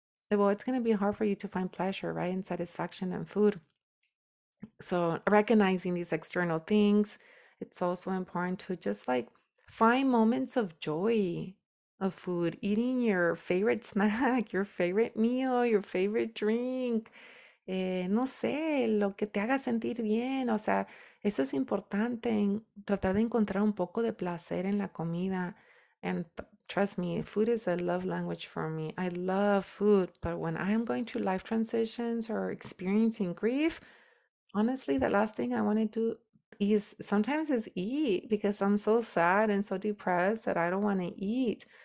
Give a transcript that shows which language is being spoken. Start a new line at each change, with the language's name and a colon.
English: Well, it's going to be hard for you to find pleasure, right, and satisfaction in food. So recognizing these external things, it's also important to just like find moments of joy of food, eating your favorite snack, your favorite meal, your favorite drink.
Spanish: No sé, lo que te haga sentir bien. O sea, eso es importante, en tratar de encontrar un poco de placer en la comida.
English: And trust me, food is a love language for me. I love food, but when I'm going through life transitions or experiencing grief, honestly, the last thing I want to do is sometimes is eat, because I'm so sad and so depressed that I don't want to eat.